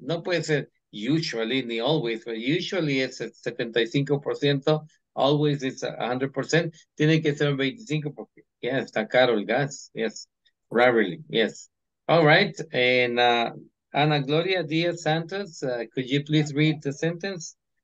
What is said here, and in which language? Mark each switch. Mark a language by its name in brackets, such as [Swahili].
[Spanish] No puede ser [English] usually, ni always, but usually it's 75%. Always it's 100%. [Spanish] Tiene que ser 25 porque ya está caro el gas. [English] Yes, rarely. Yes. All right. And Ana Gloria Diaz Santos, could you please read the sentence?